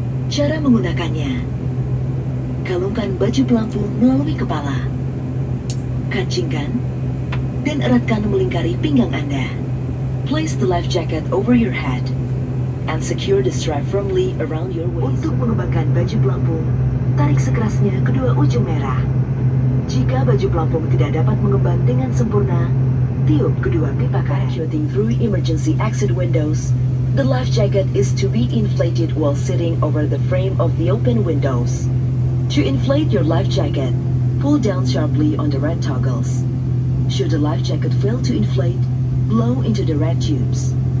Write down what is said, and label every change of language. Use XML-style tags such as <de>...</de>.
<id>Cara menggunakannya. Kalungkan baju pelampung melalui kepala. Kancingkan dan eratkan melingkari pinggang Anda.</id> <en>Place the life jacket over your head and secure the strap firmly around your waist.</en> <id>Untuk mengembangkan baju pelampung, tarik sekerasnya kedua ujung merah. Jika baju pelampung tidak dapat mengembang dengan sempurna, tiup kedua pipa karet.</id> <en>Shooting through emergency exit windows, the life jacket is to be inflated while sitting over the frame of the open windows. To inflate your life jacket, pull down sharply on the red toggles. Should the life jacket fail to inflate, blow into the red tubes.</en>